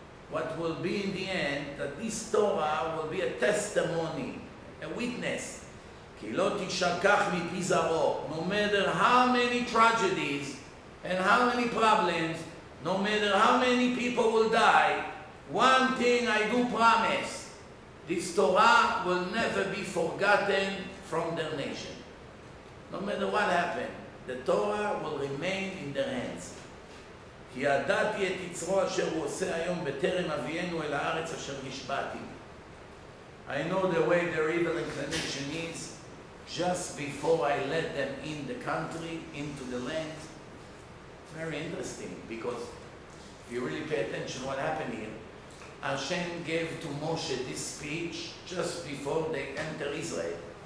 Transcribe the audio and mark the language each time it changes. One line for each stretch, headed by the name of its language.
English: What will be in the end, that this Torah will be a testimony, a witness,
Hebrew: כי לא תשכח מפי זרעו,
English: no matter how many tragedies, and how many problems, no matter how many people will die, one thing I do promise, this Torah will never be forgotten from their nation. No matter what happened, the Torah will remain in their hands.
Hebrew: כי ידעתי את יצרו אשר הוא עושה היום בטרם אביאנו אל הארץ אשר נשבעתי.
English: I know the way their evil inclination is, just before I let them in the country, into the land. Very interesting, because if you really pay attention to what happened here, Hashem gave to Moshe this speech just before they enter Israel.